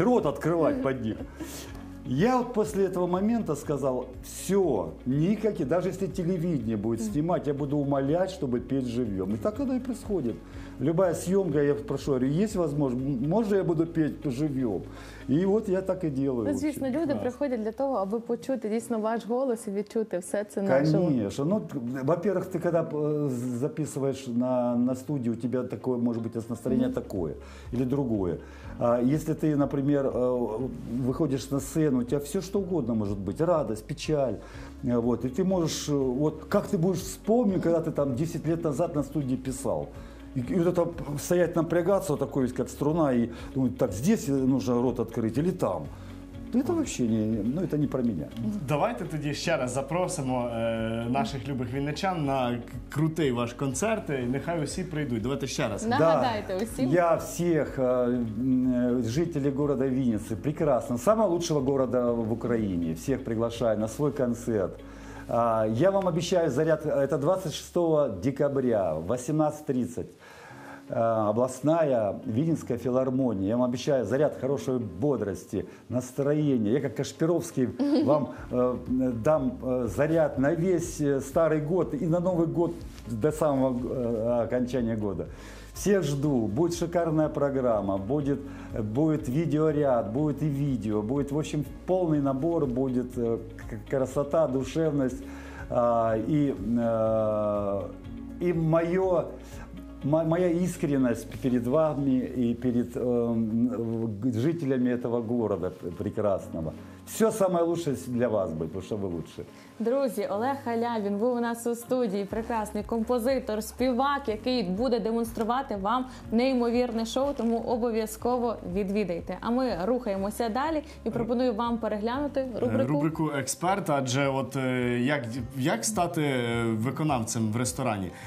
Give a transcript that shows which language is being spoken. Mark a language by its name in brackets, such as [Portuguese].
[Russian] Рот открывать под них. Я вот после этого момента сказал, все, никакие, даже если телевидение будет снимать, я буду умолять, чтобы петь живьем. И так оно и происходит. Любая съемка, я прошу, говорю, есть возможность, можно я буду петь живьем? [Ukrainian] І от я так і ділаю. Ну, звісно, люди приходять для того, аби почути дійсно ваш голос і відчути все це наживо. Звісно. Ну, во-первых, ти коли записуєш на студію, у тебе таке, може бути, настроєння таке, або другое. А якщо ти, наприклад, виходиш на сцену, у тебе все що угодно може бути, [Russian] радость, печаль. [Ukrainian] Вот, і ти можеш, от як ти будеш вспомнити, коли ти там 10 років назад на студії писав. [Russian] И вот это стоять напрягаться, вот такой весь, как струна, и думать, так, здесь нужно рот открыть или там. Это вообще не, ну, это не про меня. [Ukrainian] Давайте тоді ще раз запросимо наших любих вінничан на крутий ваш концерт, і нехай усі прийдуть. Давайте ще раз. Нагадайте усім. Я всіх жителів міста Вінниці, прекрасно, найкращого міста в Україні, всіх приглашаю на свій концерт. [Russian] Я вам обещаю заряд, это 26 декабря, 18:30, областная Винницкая филармония. Я вам обещаю заряд хорошей бодрости, настроения. Я как Кашпировский вам дам заряд на весь старый год и на Новый год до самого окончания года. Всех жду, будет шикарная программа, будет видеоряд, будет и видео, будет, в общем, полный набор, будет красота, душевность и моя искренность перед вами и перед жителями этого города прекрасного. Все самое лучшее для вас будет, потому что вы лучше. [Ukrainian] Друзі, Олег Халявін був у нас у студії, прекрасний композитор, співак, який буде демонструвати вам неймовірне шоу, тому обов'язково відвідайте. А ми рухаємося далі і пропоную вам переглянути рубрику «Експерт», адже от як стати виконавцем в ресторані?